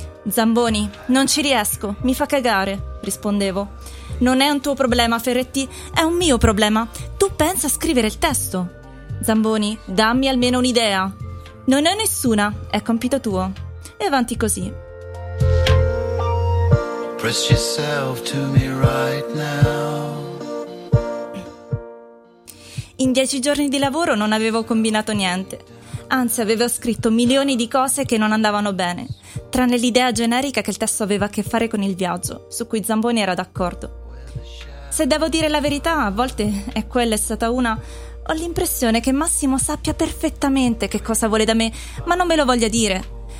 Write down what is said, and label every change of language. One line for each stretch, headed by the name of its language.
Italian: «Zamboni, non ci riesco, mi fa cagare», rispondevo. «Non è un tuo problema, Ferretti, è un mio problema. Tu pensa a scrivere il testo». «Zamboni, dammi almeno un'idea». «Non è nessuna, è compito tuo». E avanti così.
English: Press yourself to me right now.
Italian: In 10 giorni di lavoro non avevo combinato niente. Anzi, avevo scritto milioni di cose che non andavano bene, tranne l'idea generica che il testo aveva a che fare con il viaggio, su cui Zamboni era d'accordo. Se devo dire la verità, a volte, e quella è stata una, ho l'impressione che Massimo sappia perfettamente che cosa vuole da me, ma non me lo voglia dire.